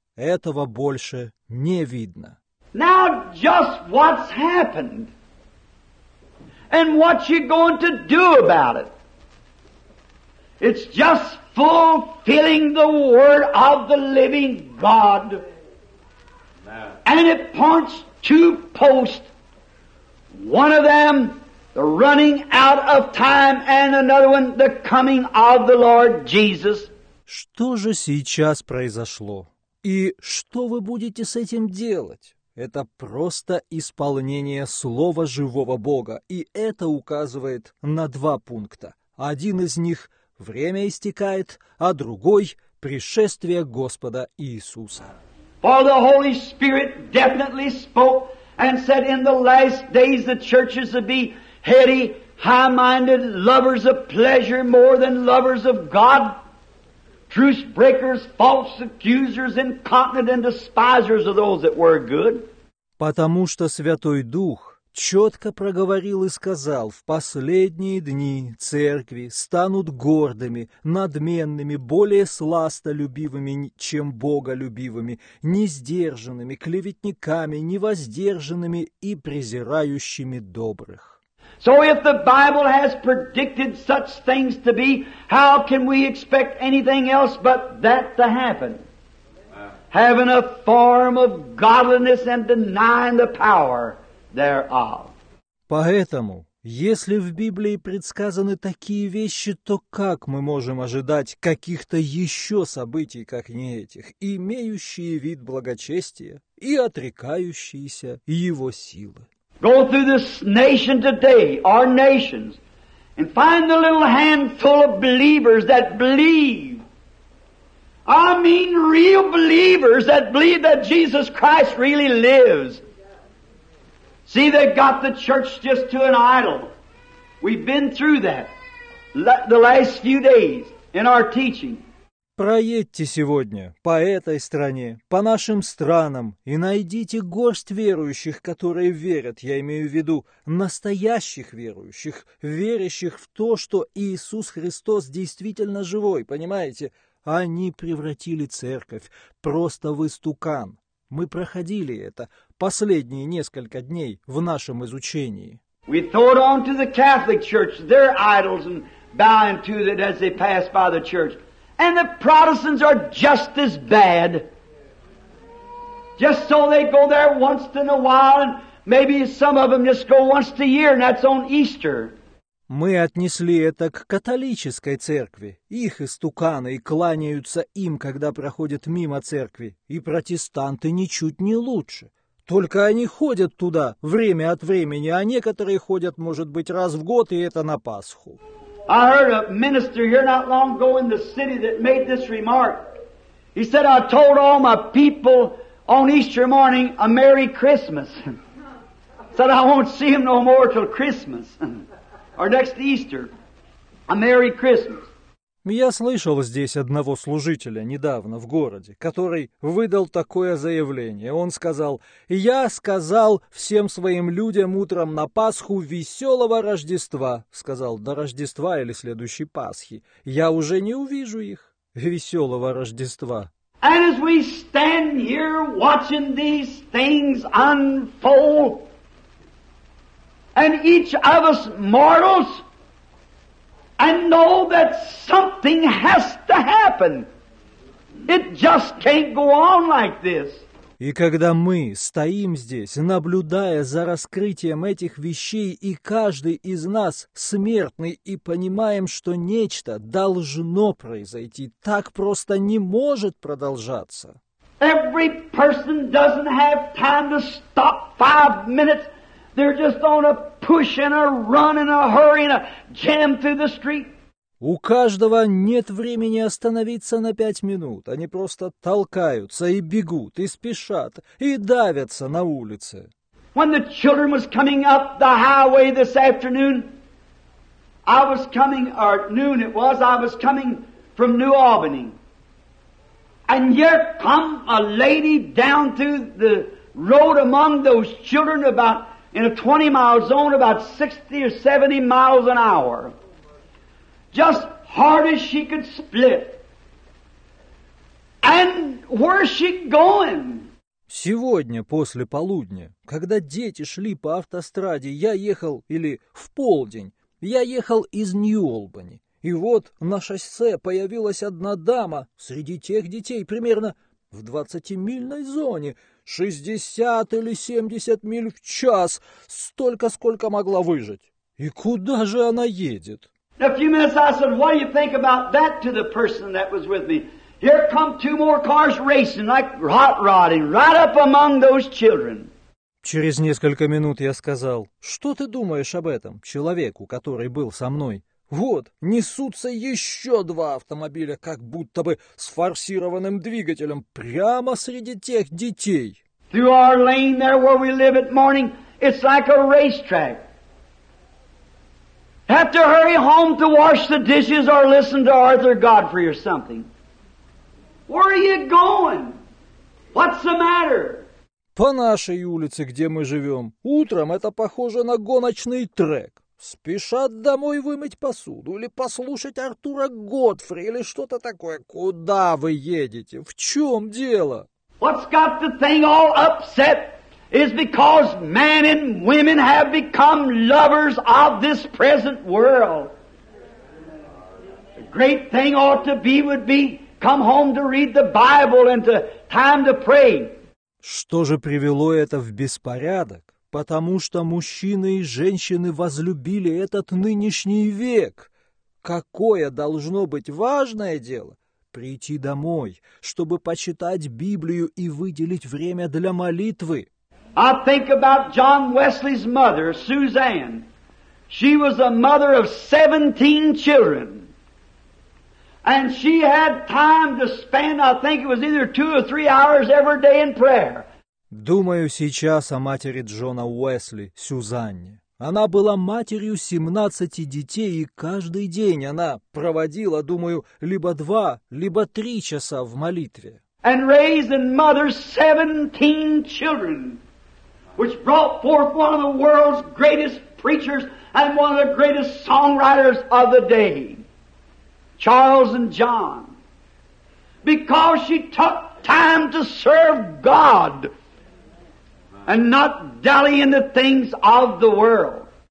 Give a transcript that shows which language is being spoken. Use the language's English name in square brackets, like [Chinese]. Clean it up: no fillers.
[Russian] Этого больше не видно. [English] Now just what's happened and what you're going to do about it. It's just fulfilling the word of the living God. And it points to post. One of them, the running out of time, and another one, the coming of the Lord Jesus. [Russian] Что же сейчас произошло? И что вы будете с этим делать? Это просто исполнение слова живого Бога, и это указывает на два пункта. Один из них – время истекает, а другой – пришествие Господа Иисуса. [English] For the Holy Spirit definitely spoke and said in the last days the churches would be heady, high-minded, lovers of pleasure more than lovers of God. Truce breakers, false accusers, incontinent and despisers of those that were good. [Russian] Потому что Святой Дух четко проговорил и сказал, в последние дни церкви станут гордыми, надменными, более сластолюбивыми, чем боголюбивыми, несдержанными, клеветниками, невоздержанными и презирающими добрых. [English] So if the Bible has predicted such things to be, how can we expect anything else but that to happen? Wow. Having a form of godliness and denying the power thereof. [Russian] Поэтому, если в Библии предсказаны такие вещи, то как мы можем ожидать каких-то еще событий, как не этих, имеющие вид благочестия и отрекающиеся его силы? [English] Go through this nation today, our nations, and find the little handful of believers that believe. I mean real believers that believe that Jesus Christ really lives. See, they've got the church just to an idol. We've been through that the last few days in our teaching. [Russian] Проедьте сегодня по этой стране, по нашим странам, и найдите горсть верующих, которые верят, я имею в виду настоящих верующих, верящих в то, что Иисус Христос действительно живой, понимаете? Они превратили церковь просто в истукан. Мы проходили это последние несколько дней в нашем изучении. [English] We throw it on to the Catholic Church, their idols, and bowing to it as they pass by the church. And the Protestants are just as bad. Just so they go there once in a while, and maybe some of them just go once a year, and that's on Easter. [Russian] Мы отнесли это к католической церкви. Их истуканы и кланяются им, когда проходят мимо церкви. И протестанты ничуть не лучше. Только они ходят туда время от времени, а некоторые ходят, может быть, раз в год, и это на Пасху. [English] I heard a minister here not long ago in the city that made this remark. He said, I told all my people on Easter morning a Merry Christmas. Said, I won't see him no more till Christmas. Or next Easter. A Merry Christmas. [Russian] Я слышал здесь одного служителя недавно в городе, который выдал такое заявление. Он сказал, я сказал всем своим людям утром на Пасху веселого Рождества. Сказал, до Рождества или следующей Пасхи. Я уже не увижу их. Веселого Рождества. [English] And as we stand here watching these things unfold, and each of us mortals, and know that something has to happen. It just can't go on like this. [Russian] И когда мы стоим здесь, наблюдая за раскрытием этих вещей, и каждый из нас смертный, и понимаем, что нечто должно произойти, так просто не может продолжаться. [English] Every person doesn't have time to stop 5 minutes. They're just on a push and a run and a hurry and a jam through the street. [Russian] У каждого нет времени остановиться на 5 минут. Они просто толкаются и бегут, и спешат, и давятся на улице. [English] When the children was coming up the highway this afternoon, I was coming, or noon it was, I was coming from New Albany. And here come a lady down through the road among those children about in a 20-mile zone, about 60 or 70 miles an hour, just hard as she could split. And where's she going? [Russian] Сегодня, после полудня, когда дети шли по автостраде, я ехал, или в полдень, я ехал из Нью-Олбани. И вот на шоссе появилась одна дама среди тех детей, примерно в 20-мильной зоне, 60 или 70 миль в час, столько, сколько могла выжить. И куда же она едет? [English] A few minutes I said, what do you think about that to the person that was with me? Here come two more cars racing like hot-rodding right up among those children. [Russian] Через несколько минут я сказал, что ты думаешь об этом человеку, который был со мной? Вот, несутся еще два автомобиля, как будто бы с форсированным двигателем, прямо среди тех детей. [English] Through our lane there where we live at morning, it's like a racetrack. Have to hurry home to wash the dishes or listen to Arthur Godfrey or something. Where are you going? What's the matter? [Russian] По нашей улице, где мы живем, утром это похоже на гоночный трек. Спешат домой вымыть посуду, или послушать Артура Годфри, или что-то такое. Куда вы едете? В чем дело? [English] What's got the thing all upset? is because men and women have become lovers of this present world. The great thing ought to be would be come home to read the Bible and to time to pray. [Russian] Что же привело это в беспорядок? Потому что мужчины и женщины возлюбили этот нынешний век. Какое должно быть важное дело? Прийти домой, чтобы почитать Библию и выделить время для молитвы. [English] I think about John Wesley's mother, Suzanne. She was a mother of 17 children. And she had time to spend, I think it was either 2 or 3 hours every day in prayer. [Russian] Думаю сейчас о матери Джона Уэсли, Сюзанне. Она была матерью 17 детей, и каждый день она проводила, думаю, либо 2, либо 3 часа в молитве. [English] And raised and mothered 17 children, which brought forth one of the world's greatest preachers and one of the greatest songwriters of the day, Charles and John. Because she took time to serve God and not dally in the things of the world.